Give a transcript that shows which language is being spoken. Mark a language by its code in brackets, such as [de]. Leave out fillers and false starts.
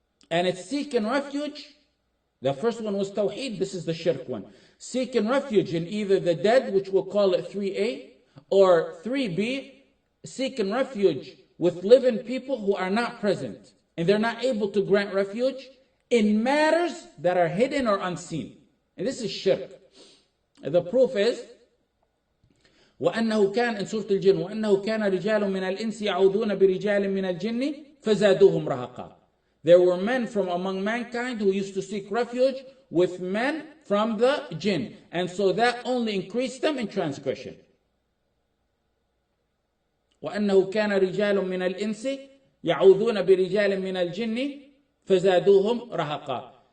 [en] And it's seeking refuge. The first one was tawheed, this is the shirk one. Seeking refuge in either the dead, which we'll call it 3A, or 3B, seeking refuge with living people who are not present, and they're not able to grant refuge in matters that are hidden or unseen. And this is shirk. The proof is, [ar] وَأَنَّهُ كَانَ [en] in Surah Al-Jinn, [ar] وَأَنَّهُ كَانَ رِجَالٌ مِنَ الْإِنسِ يَعُوذُونَ بِرِجَالٍ مِنَ الْجِنِّ فَزَادُوهُمْ رَهَقًا. [en] There were men from among mankind who used to seek refuge with men from the jinn. And so that only increased them in transgression. [ar] وَأَنَّهُ كَانَ رِجَالٌ مِنَ الْإِنسِ يَعُوذُونَ بِرِجَالٍ مِنَ الْجِنِّ فَزَادُوهُمْ رَهَقًا.